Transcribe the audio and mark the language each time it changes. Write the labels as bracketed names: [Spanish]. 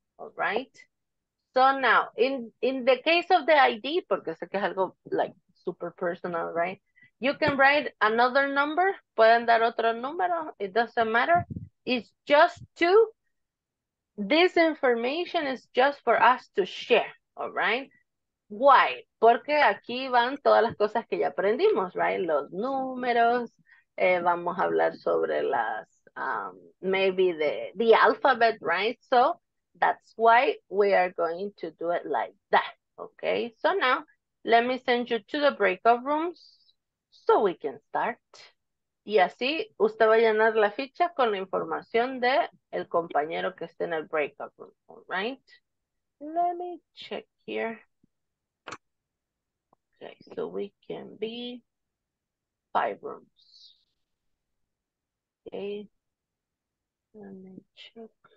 [English] All right? So now, in the case of the ID, [Spanish] porque sé que es algo [English] like super personal, right? You can write another number. [Spanish] Pueden dar otro número. [English] It doesn't matter. It's just to, this information is just for us to share. All right? Why? [Spanish] Porque aquí van todas las cosas que ya aprendimos, right? Los números. Vamos a hablar sobre las, [English] maybe the alphabet, right? So that's why we are going to do it like that. Okay? So now, let me send you to the breakout rooms. So we can start. [Spanish] Y así usted va a llenar la ficha con la información de el compañero que está en el breakout room. [English] All right. Let me check here. Okay, so we can be 5 rooms. Okay. Let me check.